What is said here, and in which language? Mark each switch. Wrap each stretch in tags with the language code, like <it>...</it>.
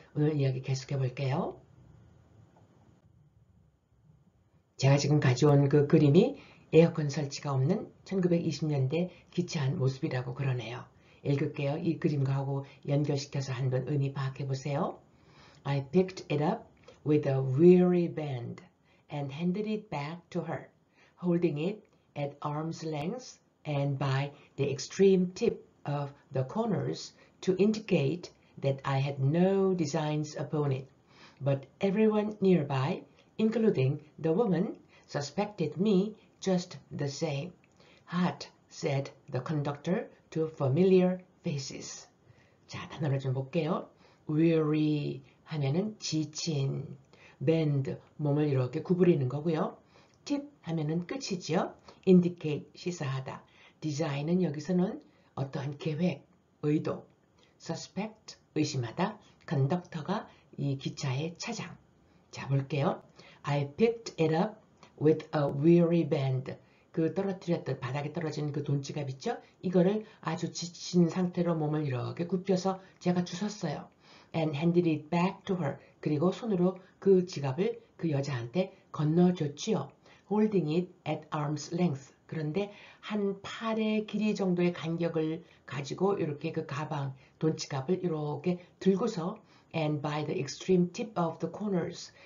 <ko>오늘 이야기 계속해 볼게요. 제가 지금 가져온 그 그림이 에어컨 설치가 없는 1920년대 기차 안 모습이라고 그러네요. 읽을게요. 이 그림과하고 연결시켜서 한번 의미 파악해 보세요.</ko> <en>I picked it up with a weary bend and handed it back to her, holding it at arm's length and by the extreme tip of the corners to indicate that I had no designs upon it. But everyone nearby, including the woman, suspected me just the same. Hot, said the conductor to familiar faces.</en> <ko>자, 단어를 좀 볼게요. Weary 하면은 지친. bend, 몸을 이렇게 구부리는 거고요. tip 하면은 끝이지요. indicate, 시사하다. design은 여기서는 어떠한 계획, 의도. suspect, 의심하다. 컨덕터가 이 기차의 차장. 자, 볼게요.</ko> <en>I picked it up with a weary bend.</en> <ko>그 떨어뜨렸던, 바닥에 떨어진 그 돈지갑 있죠? 이거를 아주 지친 상태로 몸을 이렇게 굽혀서 제가 주웠어요.</ko> <en>and handed it back to her.</en> <ko>그리고 손으로 그 지갑을 그 여자한테 건너줬지요.</ko> <en>holding it at arm's length.</en> <ko>그런데 한 팔의 길이 정도의 간격을 가지고 이렇게 그 가방, 돈지갑을 이렇게 들고서</ko> <en>and by the extreme tip of the corners.</en>